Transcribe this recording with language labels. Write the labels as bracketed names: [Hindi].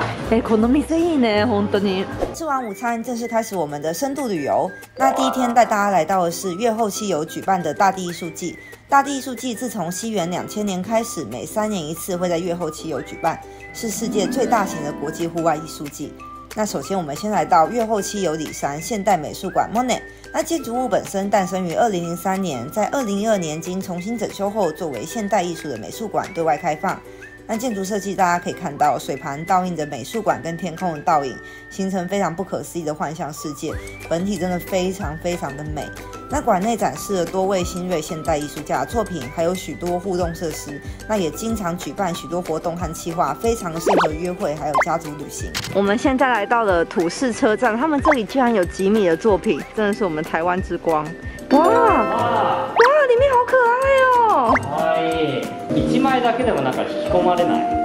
[Japanese] 哎，この店いいね、本当に。 [Chinese] 吃完午餐，正式开始我们的深度旅游。那第一天带大家来到的是越后溪游举办的大地艺术季。大地艺术季自从西元2000年开始，每3年一次会在越后溪游举办，是世界最大型的国际户外艺术季。那首先我们先来到月后期有里山现代美术馆 Monet。那建筑物本身诞生于2003年，在2012年经重新整修后作为现代艺术的美术馆对外开放。那建筑设计大家可以看到水盘倒映的美术馆跟天空的倒影，形成非常不可思议的幻象世界，本体真的非常非常的美。那馆内展示了多位新锐现代艺术家的作品，还有许多互动设施，那也经常举办许多活动和企划，非常适合约会还有家族旅行。我们现在来到了土市车站，他们这里居然有吉米的作品，真的是我们台湾之光。哇哇，里面好可爱哦。 [Japanese] 可爱，一枚だけでもなんか引き込まれない。